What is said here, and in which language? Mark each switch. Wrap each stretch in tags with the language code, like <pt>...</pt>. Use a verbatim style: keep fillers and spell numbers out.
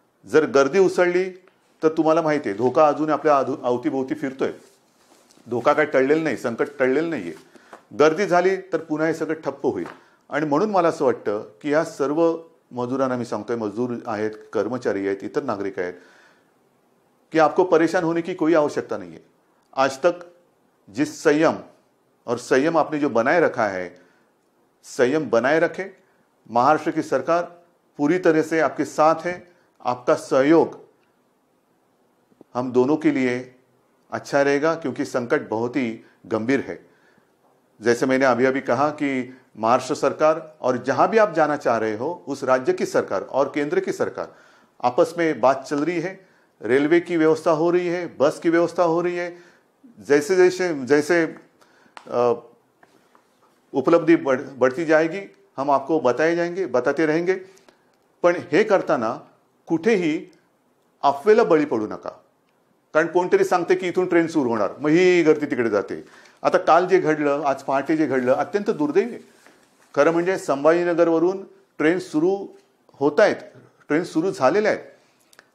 <mr>जर गर्दी उसळली तर तुम्हाला माहिती आहे, धोका अजून आपल्या आधू अवतीभोवती फिरतोय. धोका काय टळलेला नाही, संकट टळलेलं नाही आहे. गर्दी झाली तर पुन्हा हे सगळं ठप्प होईल. आणि म्हणून मला असं वाटतं की ह्या सर्व मजुरांना मी सांगतोय, मजूर आहेत, कर्मचारी आहेत, इतर नागरिक आहेत, कि</mr> <hi>आपको परेशान होने की कोई आवश्यकता नहीं है. आज तक जिस संयम और संयम आपने जो बनाए रखा है, संयम बनाए रखें. महाराष्ट्र की सरकार पूरी तरह से आपके साथ है. आपका सहयोग हम दोनों के लिए अच्छा रहेगा क्योंकि संकट बहुत ही गंभीर है. जैसे मैंने अभी अभी कहा कि महाराष्ट्र सरकार और जहां भी आप जाना चाह रहे हो उस राज्य की सरकार और केंद्र की सरकार आपस में बात चल रही है. रेलवे की व्यवस्था हो रही है, बस की व्यवस्था हो रही है. जैसे जैसे जैसे उपलब्धि बढ़ बढ़ती जाएगी हम आपको बताए जाएंगे, बताते रहेंगे.</hi> <mr>पण हे करताना कुठेही अफवेला बळी पडू नका. कारण कोणतरी सांगते की इथून ट्रेन सुरू होणार, मग ही गर्दी तिकडे जाते. आता काल जे घडलं, आज पहाटे जे घडलं, अत्यंत दुर्दैवी आहे. खरं म्हणजे संभाजीनगरवरून ट्रेन सुरू होत आहेत, ट्रेन सुरू झालेल्या आहेत.</mr>